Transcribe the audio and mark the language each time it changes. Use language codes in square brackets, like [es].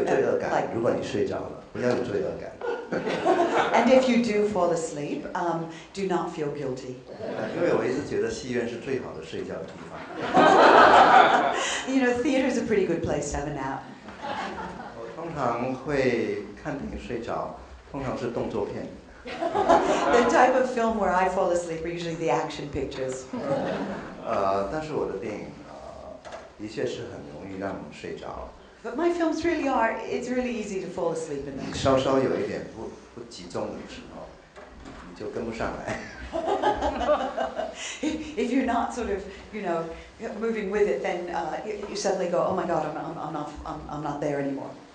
[zh] 不要有罪恶感，如果你睡着了，不要有罪恶感。 [en] And if you do fall asleep, do not feel guilty. [zh] 因为我一直觉得戏院是最好的睡觉的地方。 [en] You know, theater is a pretty good place to have a nap. [zh] 我通常会看电影睡着，通常是动作片。 [en] The type of film where I fall asleep are usually the action pictures. [zh] 但是我的电影的确是很容易让你睡着。 [en] But my films really are, it's really easy to fall asleep in them. [zh] 你稍稍有一点不集中的时候，你就跟不上来。 [en] If you're not sort of, you know, moving with it, then you suddenly go, oh my God, I'm not there anymore.